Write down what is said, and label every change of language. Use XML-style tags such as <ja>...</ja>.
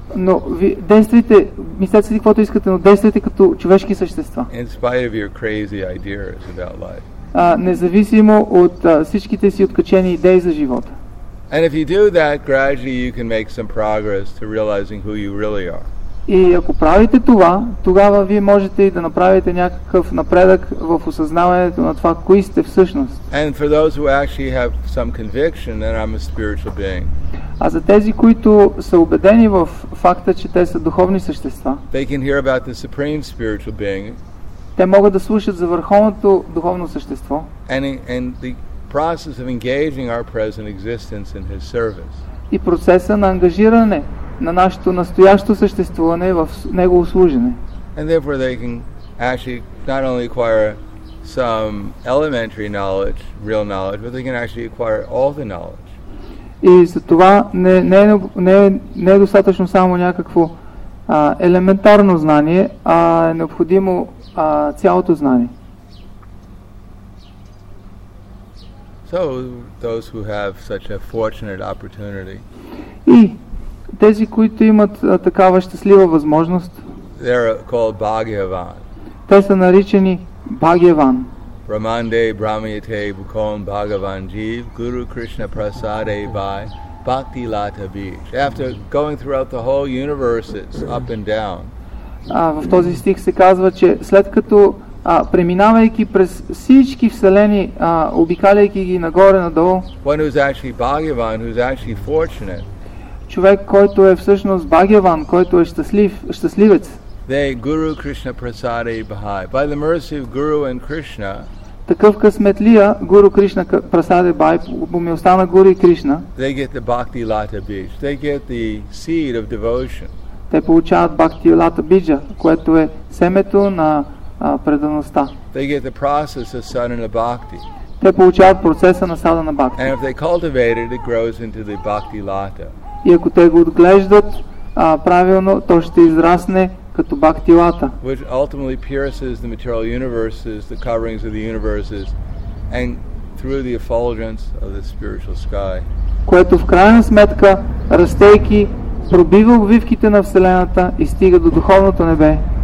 <bg>Но действайте, мислете си каквото искате, но действайте като човешки същества.</bg> <en>In spite of your crazy ideas about life.</en> <bg>Независимо от всичките си откачени идеи за живота.</bg> <en>And if you do that, gradually you can make some progress to realizing who you really are.</en> <bg>И ако правите това, тогава вие можете и да направите някакъв напредък в осъзнаването на това кои сте всъщност.</bg> <en>And for those who actually have some conviction that I'm a spiritual being.</en> <bg>А за тези, които са убедени в факта, че те са духовни същества.</bg> <en>They can hear about the supreme spiritual being.</en> <bg>Те могат да слушат за върховното духовно същество.</bg> <en>And the process of engaging our present existence in his service.</en> <bg>И процеса на ангажиране на нашето настоящо съществуване в негово служене.</bg> <en>And therefore they can actually not only acquire some elementary knowledge, real knowledge, but they can actually acquire all the knowledge.</en> <bg>И за това не е достатъчно само някакво елементарно знание, а е необходимо цялото знание.</bg> <en>So those who have such a fortunate opportunity.</en> <bg>И тези, които имат такава щастлива възможност.</bg> <en>They're called Bhagyavan.</en> <bg>Те са наричани Bhagyavan.</bg> <sa>Brahmande Brahmayate Bukon Bhagavan Jeev Guru Krishna Prasade Vai Bhakti Lata Beach.</sa> <en>After going throughout the whole universes up and down.</en> <bg>В този стих се казва, че след като преминавайки през всички вселени, обикаляйки ги нагоре надолу.</bg> <en>One who's actually Bhagyavan, who's actually fortunate.</en> <bg>Човек, който е всъщност Bhagyavan, който е щастлив, щастливец.</bg> <en>They</en> <sa>Guru Krishna Prasade Bhai.</sa> <en>By the mercy of Guru and Krishna.</en> <bg>Такъв късметлия</bg> <sa>Guru Krishna Prasade Bhai,</sa> <bg>помилостта на Guru и Кришна.</bg> <en>They get the Bhakti Lata Bija. They get the seed of devotion.</en> <bg>Те получават Bhakti Lata Bija, което е семето на предаността.</bg> <en>They get the process of sadhana bhakti.</en> <bg>Те получават процеса на садана бхакти.</bg> <en>And if they cultivate it, it grows into the Bhakti Lata.</en> <bg>И ако те го отглеждат правилно, то ще израсне като Bhakti Lata.</bg> <en>Which ultimately pierces the material universes, the coverings of the universes, and through the effulgence of the spiritual sky.</en> <bg>Което в крайна сметка, растейки, пробива обвивките на Вселената и стига до духовното небе.</bg>